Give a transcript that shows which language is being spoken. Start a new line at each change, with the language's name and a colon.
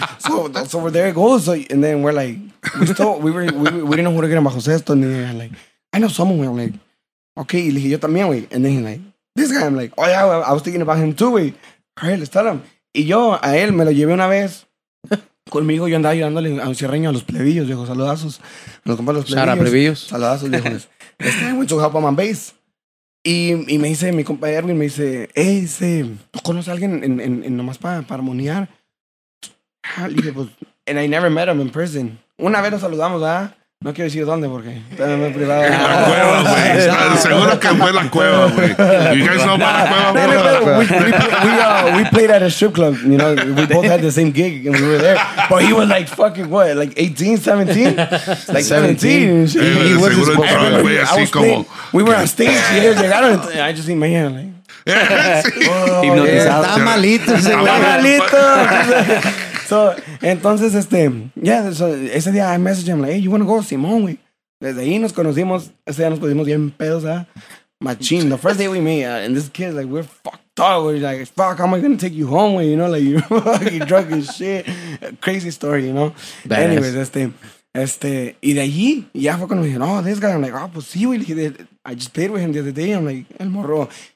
English: So that's over there it goes. So, and then we're like, we didn't know who to get in Bajos Esto. And then like, I know someone. I'm like, okay,
Spanish: y le dije yo también, güey.
English: And then he's like, this guy, I'm like, oh yeah, well, I was thinking about him too, güey. All right, let's tell him.
Spanish: Y yo, a él, me lo llevé una vez. Conmigo yo andaba ayudándole a un cierreño a los plebillos, viejo, saludazos. Los compas los plebillos. Shara, plebillos. Saludazos, viejo. Este güey tocaba para Mambéis. Y me dice mi compa Erwin, me dice, hey, dice, ¿tú conoces a alguien en nomás para armoniar? Y dije, pues,
English: and I never met him in person.
Spanish: Una vez nos saludamos, ¿ah? No quiero decir dónde, porque también me he privado. En la cueva, güey. Seguro que fue en la cueva, güey.
English: You guys know about the cueva, bro? We played at a strip club, you know. We both had the same gig, and we were there. But he was like, fucking what? Like 18, 17? Like 17.
Spanish: seguro
English: was just drunk,
Spanish: güey. Así como...
English: We were on stage.
Spanish: Y ellos llegaron.
English: I just think, man, like...
Spanish: Hipnotizado. Está malito. Está malito.
English: So, entonces, este, yeah, so,
Spanish: ese día
English: I messaged him, like, hey, you want to go, Simón, güey.
Spanish: Desde ahí nos conocimos, ese día nos pusimos bien pedos, ¿ah?
English: Machín, the first day we meet, and this kid's like, we're fucked up, we're like, fuck, how am I going to take you home, güey, you know, like, you're drunk and shit. Crazy story, you know. Badass. Anyways,
Spanish: este, y de allí, ya fue cuando me dijeron, oh,
English: this guy, I'm like, oh,
Spanish: pues sí, güey,
English: I just played with him the other day, I'm like,
Spanish: el morro.